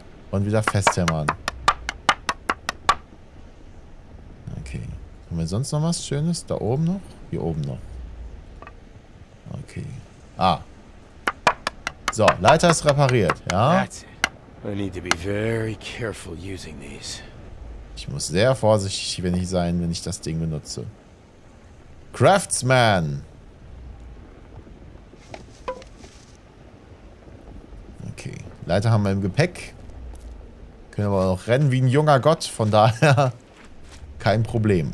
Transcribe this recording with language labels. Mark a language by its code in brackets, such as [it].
[de] Und wieder festhämmern. Okay. Haben wir sonst noch was Schönes? Da oben noch? Hier oben noch. Okay. Ah. So, Leiter ist repariert, ja? [en] I need to be very careful using these. [de] Ich muss sehr vorsichtig wenn ich das Ding benutze. Craftsman! Okay, Leiter haben wir im Gepäck. Können aber noch rennen wie ein junger Gott, von daher kein Problem.